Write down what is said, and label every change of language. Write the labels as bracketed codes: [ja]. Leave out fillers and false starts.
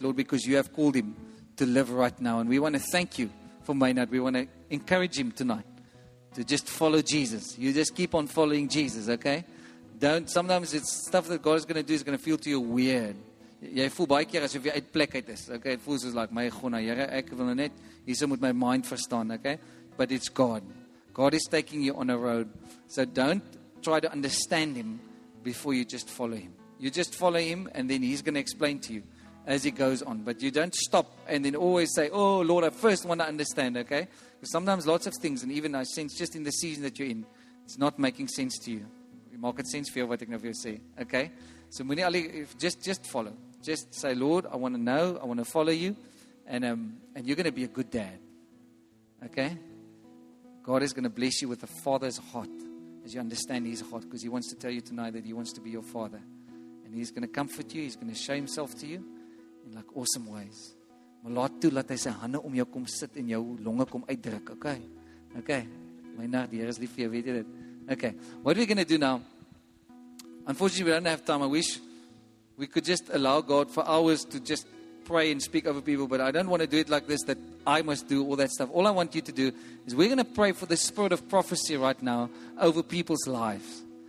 [en] Lord, because you have called him to live right now. And we want to thank you for Maynard. We want to encourage him tonight to just follow Jesus. You just keep on following Jesus, okay? Don't, sometimes it's stuff that God is going to do is going to feel to you weird. [af] Jy voel baie keer asof jy uit plek uit is, okay? [en] It feels like, my God, [af] Here, ek wil net hierso met my mind verstaan, [en] okay? But it's God. God is taking you on a road. So don't try to understand him before you just follow him. You just follow him and then he's going to explain to you as he goes on. But you don't stop and then always say, oh Lord, I first want to understand, okay? Because sometimes lots of things, and even I sense just in the season that you're in, it's not making sense to you. [af] Maak het sense vir jou wat ek nou vir jou sê, okay? So moenie al die, [en] just follow. Just say, Lord, I want to know, I want to follow you, and you're going to be a good dad, okay? God is going to bless you with a father's heart, as you understand his heart, because he wants to tell you tonight that he wants to be your father. And he's going to comfort you, he's going to show himself to you, in like awesome ways. [af] Maar laat toe, laat hy sy hande om jou kom sit en jou longe kom uitdruk, okay? Okay, my nag, die Here is lief vir jou, weet jy dit? [en] Okay, what are we going to do now? Unfortunately, we don't have time. I wish we could just allow God for hours to just pray and speak over people, but I don't want to do it like this, that I must do all that stuff. All I want you to do is we're going to pray for the spirit of prophecy right now over people's lives.